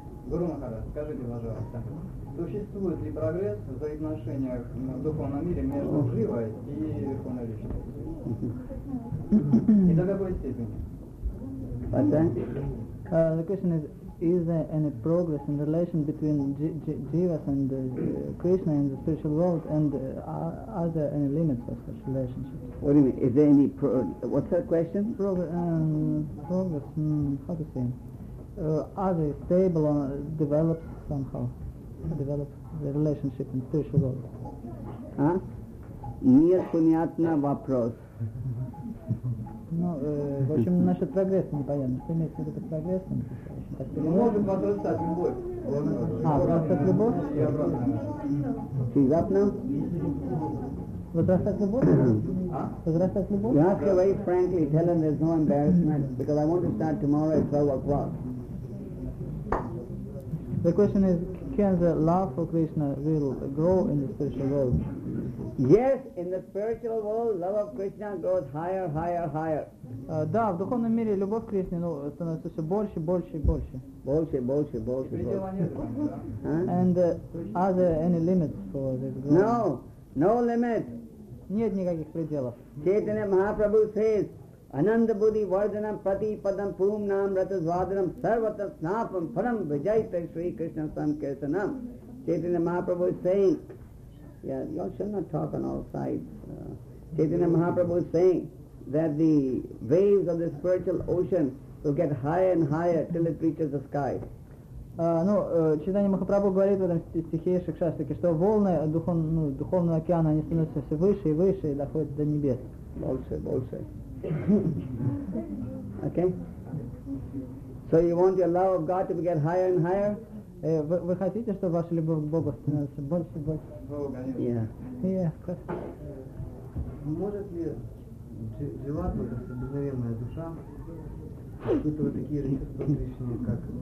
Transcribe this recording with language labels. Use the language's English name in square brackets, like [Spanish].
[Russian] Guru Maharaj, скажите, пожалуйста, существует ли прогресс в взаимоотношениях в духовном мире между живой и верховной личностью? И до какой степени? [English] What's that? The question is there any progress in the relation between jivas and Krishna in the spiritual world, and are there any limits of such relationships? What do you mean? Is there any what's that question? Progress, how to say? Are they stable or developed somehow? Develop the relationship in the spiritual world? [Russian] Huh? Нет понятно вопрос. Ну, в общем, насчет прогресса непонятно. Что имеется в виду под прогрессом? Мы можем возрастать любовь. А, возрастать любовь? Внезапно? Возрастать любовь? Возрастать любовь? [English] You have to very frankly tell him there's no embarrassment, because I want to start tomorrow at 12 o'clock. The question is, can the love for Krishna will grow in the spiritual world? Yes, in the spiritual world, love of Krishna grows higher, higher, higher. [Russian] Да, в духовном мире любовь к Кришне становится все больше, больше и больше. Больше, больше, больше, больше. [English] And are there any limits for this growth? No, no limit. [Russian] Нет никаких пределов. [Sanskrit] Chaitanya Mahaprabhu says, Ananda Buddhi Vardhanam Pati Padam Pumnam Ratasvadanam Sarvata Snapam Param Vijayate Sri Krishna Sankirtanam. [English] Chaitanya Mahaprabhu is saying, yeah, you all should not talk on all sides. Chaitanya Mahaprabhu is saying that the waves of the spiritual ocean will get higher and higher till it reaches the sky. [Russian] Chaitanya Mahaprabhu говорит в этом стихе Шикшастаки, что волны духовного океана они становятся все выше и выше и доходят до небес. Больше, больше. [English] Okay? So you want your love of God to get higher and higher? [Russian] Вы хотите, чтобы ваша любовь к Богу становилась больше и больше? Может ли дживатва, обыкновенная душа, испытывать такие вещества, как